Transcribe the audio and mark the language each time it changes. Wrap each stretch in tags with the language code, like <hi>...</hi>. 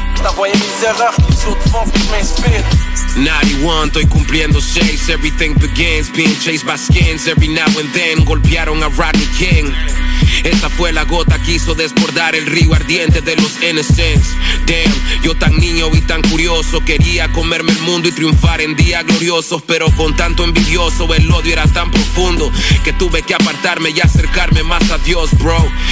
<fr>J't'envoyais mes erreurs qui me sautent devant, qui m'inspirent.</fr> <en>91,</en> <es>estoy cumpliendo</es> <en>6. Everything begins, being chased by skins. Every now and then,</en> <es>golpearon a Rodney King. Esta fue la gota que hizo desbordar el río ardiente de los innocents. Damn, yo tan niño y tan curioso. Quería comerme el mundo y triunfar en días gloriosos. Pero con tanto envidioso, el odio era tan profundo que tuve que apartarme y acercarme más a Dios, bro.</es>